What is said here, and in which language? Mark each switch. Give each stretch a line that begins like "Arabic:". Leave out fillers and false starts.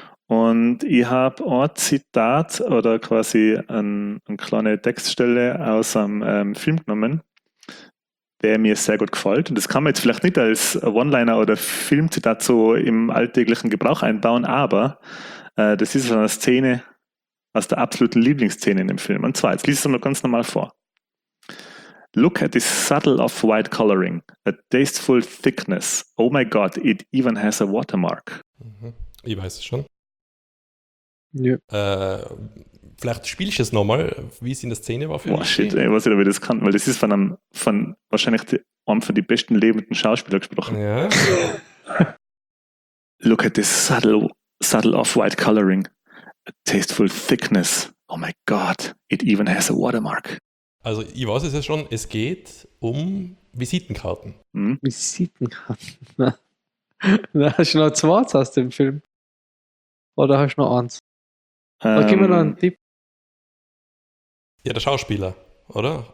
German: Und ich habe ein Zitat oder quasi eine kleine Textstelle aus einem Film genommen, der mir sehr gut gefällt. Und das kann man jetzt vielleicht nicht als One-Liner oder Filmzitat so im alltäglichen Gebrauch einbauen, aber das ist eine Szene aus der absoluten Lieblingsszene in dem Film. Und zwar, jetzt lese ich es mal ganz normal vor.
English: Look at this subtle off-white coloring, a tasteful thickness. Oh my God, it even has a watermark.
German: Ich weiß es schon. Ja. Vielleicht spiele ich es nochmal, wie es in der Szene war. Oh shit, ey, was ich da wieder das kann, weil das ist von wahrscheinlich einem von den besten lebenden Schauspielern gesprochen. Ja.
English: Look at this subtle off-white coloring, a tasteful thickness. Oh my God, it even has a watermark.
German: Also ich weiß es ja schon, es geht um Visitenkarten. Hm? Visitenkarten? Da hast du noch zwei aus dem Film. Oder hast du noch eins? Gib mir noch einen Tipp. Ja, der Schauspieler, oder?